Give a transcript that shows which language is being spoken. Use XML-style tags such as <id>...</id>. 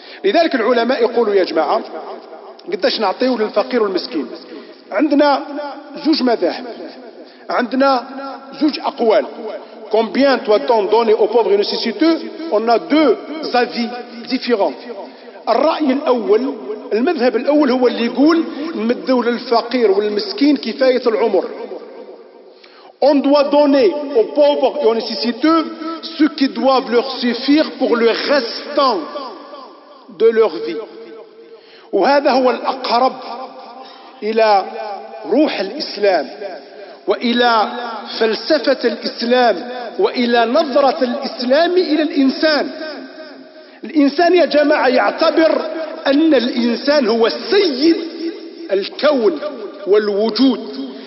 <fr>Et donc, les ulama, ils disent, « Ya jama'a, qu'est-ce qu'on a donné au faqir ou au miskin ?»</fr> <ar>عندنا زوج مذاهب. عندنا زوج أقوال.</ar> <fr>Combien doit-on donner aux pauvres et aux nécessiteux ? On a deux avis différents.</fr> <ar>الرأي الأول, المذهب الأول هو اللي يقول, مدوا للفقير والمسكين كفاية العمر.</ar> <fr>On doit donner aux pauvres et aux nécessiteux ce qui doivent leur suffire pour le restant de leur vie.</fr> <ar>وهذا هو الأقرب إلى روح الإسلام وإلى فلسفة الإسلام وإلى نظرة الإسلام إلى الإنسان. الإنسان يا جماعة يعتبر أن الإنسان هو سيد الكون والوجود.</ar>